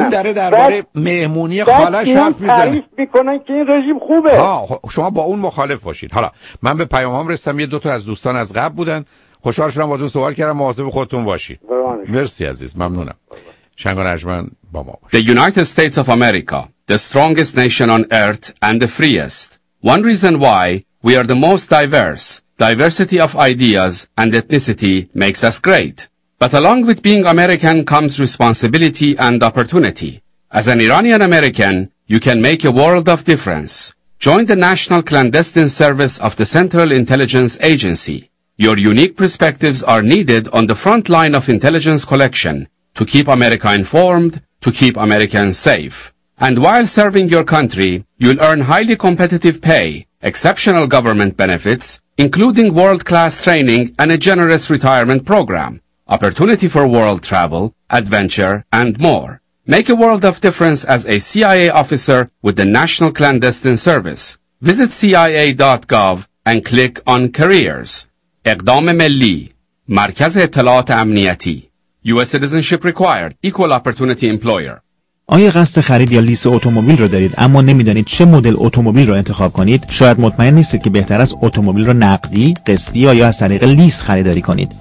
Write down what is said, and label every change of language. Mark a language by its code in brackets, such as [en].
[fa] اون داره درباره مهمونی خالص حرف می‌زنه. تعریف می‌کنن که این رژیم خوبه. ها شما با اون مخالف باشید. حالا من به پیام‌هام رسیدم، یه دو تا از دوستان از قبل بودن، خوشحال شدم باهاتون سوال کردم. مواظب خودتون باشید. مرسی عزیز، ممنونم. شنگون ارجمند با ما باشید. [en] The United States of America, the strongest nation on earth and the freest. One reason why we are the most diverse. Diversity of ideas and ethnicity makes us great. But along with being American comes responsibility and opportunity. As an Iranian American, you can make a world of difference. Join the National Clandestine Service of the Central Intelligence Agency. Your unique perspectives are needed on the front line of intelligence collection to keep America informed, to keep Americans safe. And while serving your country, you'll earn highly competitive pay, exceptional government benefits, including world-class training and a generous retirement program, opportunity for world travel, adventure, and more. Make a world of difference as a CIA officer with the National Clandestine Service. Visit CIA.gov and click on Careers. [fa] اقدام ملی مرکز اطلاعات امنیتی. [en] U.S. citizenship required. Equal opportunity employer. [fa] آیا قصد خرید یا لیس اتومبیل را دارید اما نمیدانید چه مدل اتومبیل را انتخاب کنید؟ شاید مطمئن نیستید که بهتر است اتومبیل را نقدی، قسطی یا از طریق لیس خریداری کنید.